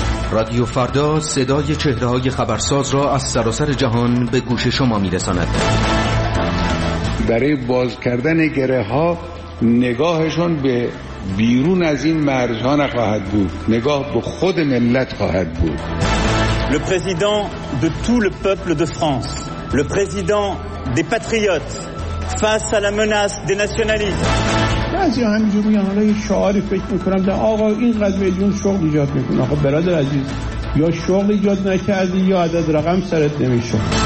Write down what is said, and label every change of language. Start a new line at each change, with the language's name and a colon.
Persian: رادیو فردا صدای چهره‌های خبرساز را از سراسر جهان به گوش شما می‌رساند. برای باز کردن گره‌ها نگاهشون به بیرون از این مرزها نخواهد بود. نگاه به خود ملت خواهد بود.
French: Le président de tout le peuple de France, le président des patriotes face à la menace des nationalistes.
Persian: بعضی همینجور میگن حالا یه شعاری فکر میکنم در آقا اینقدر میلیون شغل ایجاد میکنه خب برادر عزیز یا شغل ایجاد نکردی یا عدد رقم سرت نمیشه